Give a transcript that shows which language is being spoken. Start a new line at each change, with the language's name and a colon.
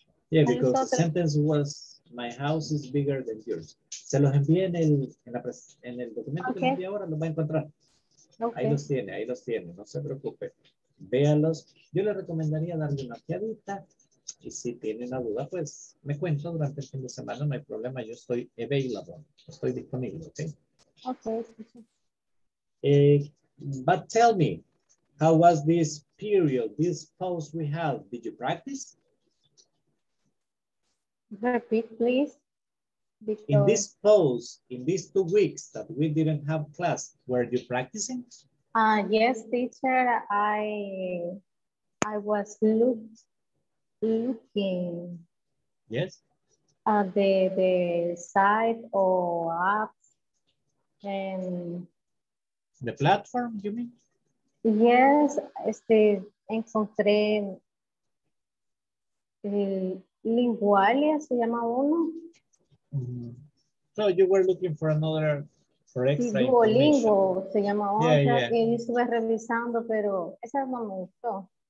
English: Yeah, because the sentence was my house is bigger than yours.
Spanish: Se los envié en el documento okay. Que envié ahora, los va a encontrar. Okay. Ahí los tiene, no se preocupe. Véalos. Yo le recomendaría darle una piadita. Y si tiene una duda, pues me cuento durante el fin de semana, no hay problema, yo estoy available, estoy disponible, ¿ok?
English: Ok. But tell me, how was this period, this pause we had? Did you practice? Repeat, please. Because in this pause, in these 2 weeks that we didn't have class, were you practicing? Yes, teacher, I was looking yes at the site or apps and the platform you mean
Spanish: yes encontré Lingualia se llama uno
English: so you were looking for another for extra
Spanish: Duolingo se llama otra yeah. Y estuve revisando pero esa no me gustó.